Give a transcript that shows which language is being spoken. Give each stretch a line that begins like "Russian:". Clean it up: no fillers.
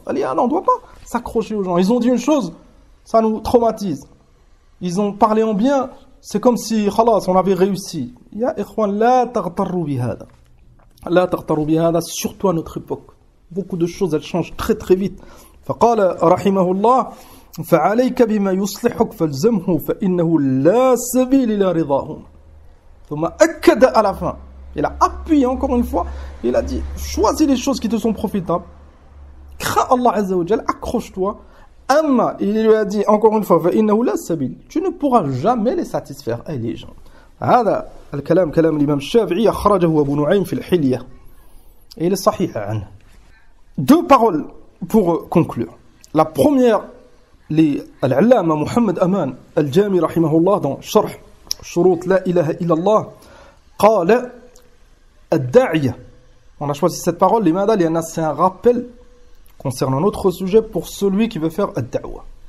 French: Allez, on ne doit pas s'accrocher aux gens. Ils ont dit une chose, ça nous traumatise. Ils ont parlé en bien, c'est comme si, khalas, on avait réussi.
Arabic: Ya ikhwan, la tartarou bihada. La tartarou bihada,
French: surtout à notre époque. Beaucoup de choses, elles changent très très vite.
Arabic: Faqala, rahimahullah. فعليك بما يصلحك فالزمه فإنه لا سبيل إلى رضاهم. ثم أكد
French: à la fin. Il a appuyé encore une fois. Il a dit choisis les choses qui te sont profitables. Crains Allah Azza wa Jal. Accroche-toi. Amma, il lui a dit encore une fois
Arabic: فإنه لا سبيل.
French: Tu ne pourras jamais les satisfaire. Eh les gens.
Arabic: هذا الكلام كلام الإمام الشافعي أخرجه أبو نعيم في الحلية.
French: Et il est
Arabic: sahih anhu.
French: Deux paroles pour conclure. La première. L'allama Muhammad Aman Al-Jami rahimahullah dans Sharh Shurut La ilaha illallah qala Al-Da'ya. On a choisi cette parole, l'imada, liana, c'est un rappel concernant un autre sujet pour celui qui veut faire Al-Da'wa.